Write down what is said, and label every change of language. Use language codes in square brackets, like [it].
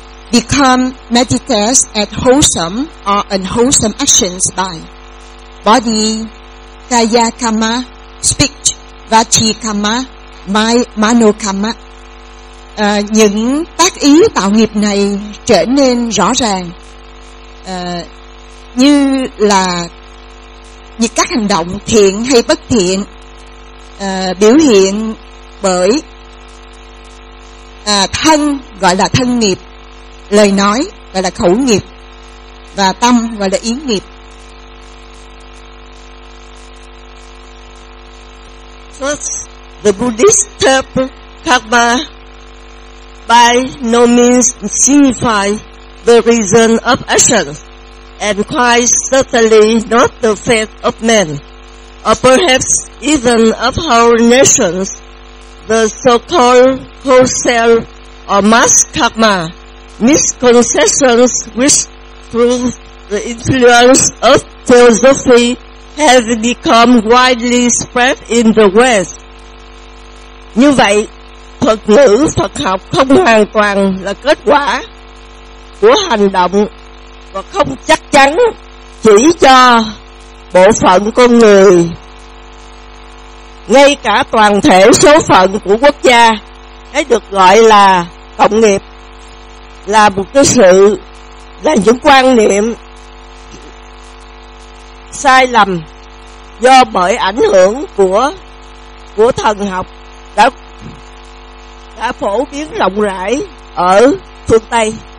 [en] become meditators at wholesome or unwholesome actions by body, kaya kama, speech, vachi kama, mano kama. [vi] Những tác ý tạo nghiệp này trở nên rõ ràng như là những các hành động thiện hay bất thiện biểu hiện bởi thân gọi là thân nghiệp, lời nói gọi là khẩu nghiệp và tâm gọi là ý nghiệp. [en] First, the Buddhist term karma by no means signify the reason of action, and quite certainly not the fate of men, or perhaps even of whole nations. The so-called wholesale or mass karma, misconceptions which through the influence of theosophy have become widely spread in the West. [vi] Như vậy, thuật ngữ Phật học không hoàn toàn là kết quả của hành động và không chắc chắn chỉ cho bộ phận con người. Ngay cả toàn thể số phận của quốc gia, cái được gọi là cộng nghiệp, là một cái sự, là những quan niệm sai lầm do bởi ảnh hưởng của thần học đã phổ biến rộng rãi ở phương Tây.